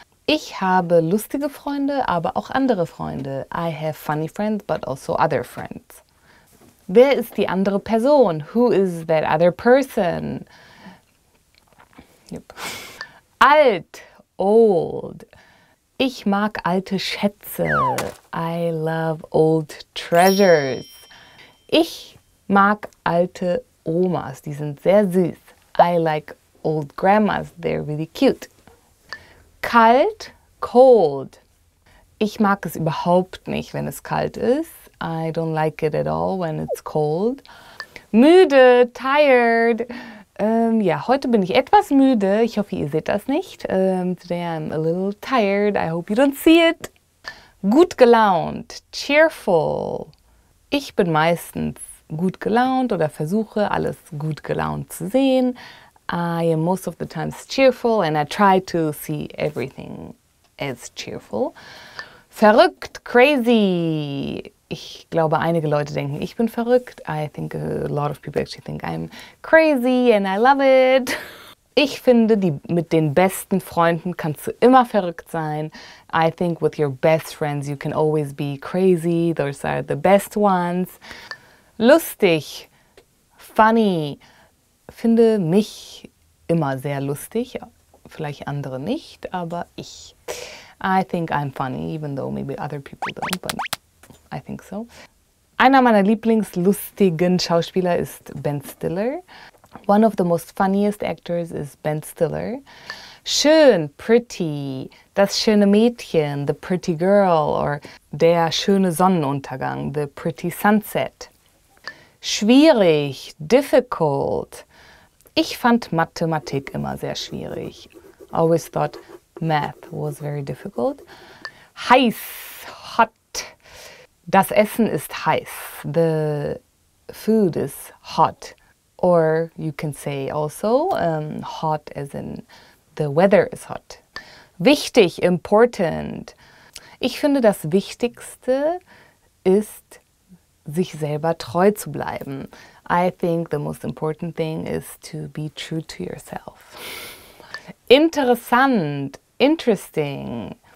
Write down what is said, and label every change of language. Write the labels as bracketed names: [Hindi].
[German] Ich habe lustige Freunde, aber auch andere Freunde. [English] I have funny friends, but also other friends. [German] Wer ist die andere Person? [English] Who is that other person? Yep. [German] Alt, old. Ich mag alte Schätze. [English] I love old treasures. [German] Ich mag alte Omas. Die sind sehr süß. [English] I like old grandmas. They're really cute. Kalt, cold. [German] Ich mag es überhaupt nicht, wenn es kalt ist. [English] I don't like it at all when it's cold. [German] Müde, tired. Ja, heute bin ich etwas müde. Ich hoffe, ihr seht das nicht. [English] Today I'm a little tired. I hope you don't see it. Gut gelaunt, cheerful. [German] Ich bin meistens gut gelaunt oder versuche, alles gut gelaunt zu sehen. [English] I am most of the times cheerful and I try to see everything as cheerful. [German] Verrückt, crazy. Ich glaube, einige Leute denken, ich bin verrückt. [English] I think a lot of people actually think I'm crazy and I love it. [German] Ich finde, mit den besten Freunden kannst du immer verrückt sein. [English] I think with your best friends you can always be crazy. Those are the best ones. Lustig, funny. [German] Finde mich immer sehr lustig. Vielleicht andere nicht, aber ich. [English] I think I'm funny, even though maybe other people don't, but I think so. [German] Einer meiner lieblingslustigen Schauspieler ist Ben Stiller. [English] One of the most funniest actors is Ben Stiller. [German] Schön, pretty. Das schöne Mädchen, [English] the pretty girl. Or [German] der schöne Sonnenuntergang, [English] the pretty sunset. [German] Schwierig, difficult. Ich fand Mathematik immer sehr schwierig. [English] Always thought math was very difficult. Heiß, hot. [German] Das Essen ist heiß. [English] The food is hot. Or you can say also hot as in the weather is hot. [German] Wichtig, important. Ich finde, das Wichtigste ist, sich selber treu zu bleiben. [English] I think the most important thing is to be true to yourself. Interessant, interesting.